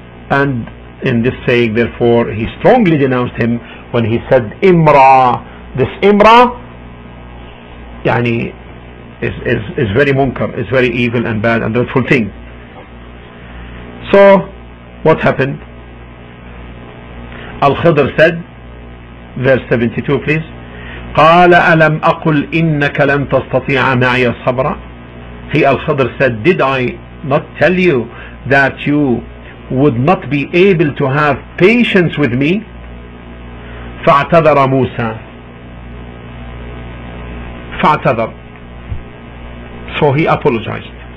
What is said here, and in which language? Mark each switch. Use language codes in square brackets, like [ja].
[en] And in this saying, therefore, he strongly denounced him when he said imra. This imra is very munkar, is very evil and bad and dreadful thing. So what happened? Al-Khidr said, verse 72 please, [ar] قال ألم أقل إنك لن تستطيع معي الصبر. He Al-Khidr said, did I not tell you that you would not be able to have patience with me? فاعتذر موسى. [en] فاعتذر, so he apologized.